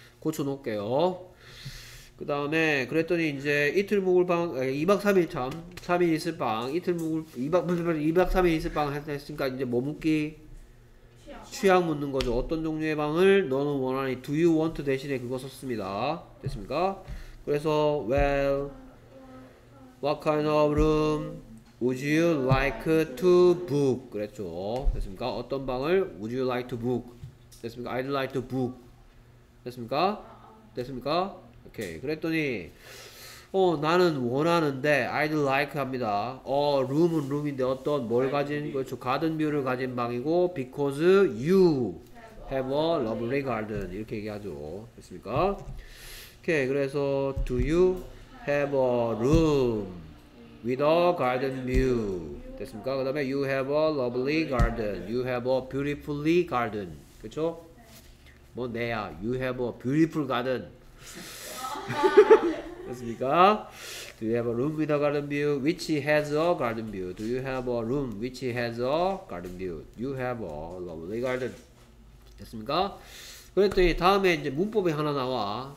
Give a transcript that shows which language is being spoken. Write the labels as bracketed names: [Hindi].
[Korean] 고쳐 놓을게요. 그 다음에 그랬더니 이제 이틀 묵을 방 2박 3일 참 3일 있을 방 이틀 묵을 2박 3일 있을 방 했으니까 이제 머묵기 취향 묻는 거죠. 어떤 종류의 방을 너는 원하니? [English] Do you want [Korean] 대신에 그거 썼습니다. 됐습니까? 그래서 [English] well what kind of room would you like to book? [Korean] 그랬죠. 됐습니까? 어떤 방을 [English] would you like to book? [Korean] 됐습니까? [English] I'd like to book. [Korean] 됐습니까? 됐습니까? 오케이. 그랬더니 나는 원하는데 [English] I'd like [Korean] 합니다. 룸은 룸인데 어떤 뭘 가진 그렇죠. 가든 뷰를 가진 방이고 [English] because you have a lovely garden [Korean] 이렇게 얘기하죠. 됐습니까? 오케이. [English] 그래서 do you have a room with a garden view? [Korean] 됐습니까? 그 다음에 [English] you have a lovely garden. You have a beautifully garden. [Korean] 그렇죠? 뭐 내야 [English] you have a beautiful garden. [Korean] 됐습니까? [English] Do you have a room with a garden view which has a garden view? Do you have a room which has a garden view? You have a lovely garden. [Korean] 됐습니까? 그랬더니 다음에 이제 문법이 하나 나와.